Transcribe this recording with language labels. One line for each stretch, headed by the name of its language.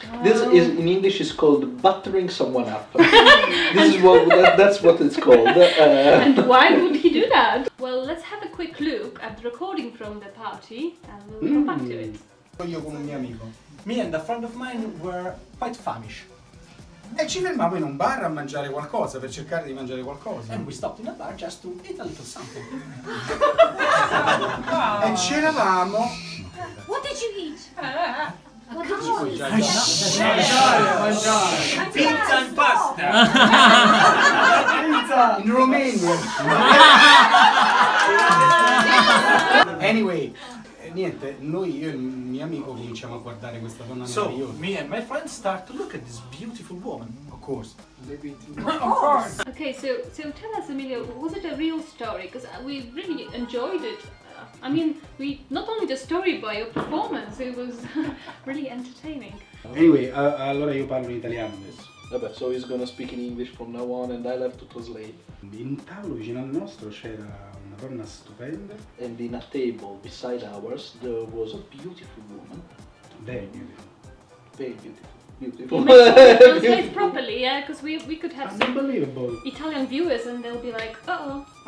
English: This is, in English, is called buttering someone up. This is that's what it's called. And why would he do that? Well, let's have a quick look at the recording from the party and we'll come back to it.
Italian: Io con un mio amico.
English: Me and a friend of mine were quite famished.
Italian: E ci fermavamo in un bar a mangiare qualcosa, per cercare di mangiare qualcosa.
English: And we stopped in a bar just to eat a little something. E c'eravamo... What did you eat? Pizza and pasta! Pizza! In Romania! Anyway...
Italian: Niente, noi, io e mio amico cominciamo a guardare questa donna meravigliosa.
English: So, me and my friend start to look at this beautiful woman. Of course. Of course! Okay, so tell us, Emilio, was it a real story? Because we really enjoyed it. I mean, we not only the story, but your performance, it was really entertaining.
Italian: Anyway, allora io parlo in italiano adesso.
English: Vabbè, so he's gonna speak in English from now on and I'll have to translate.
Italian: In tavolo vicino al nostro c'era una donna stupenda.
English: And in a table beside ours there was a beautiful woman. Very beautiful. Very beautiful. Beautiful. Translate properly, yeah, because we could have unbelievable. Some Italian viewers and they'll be like, uh-oh.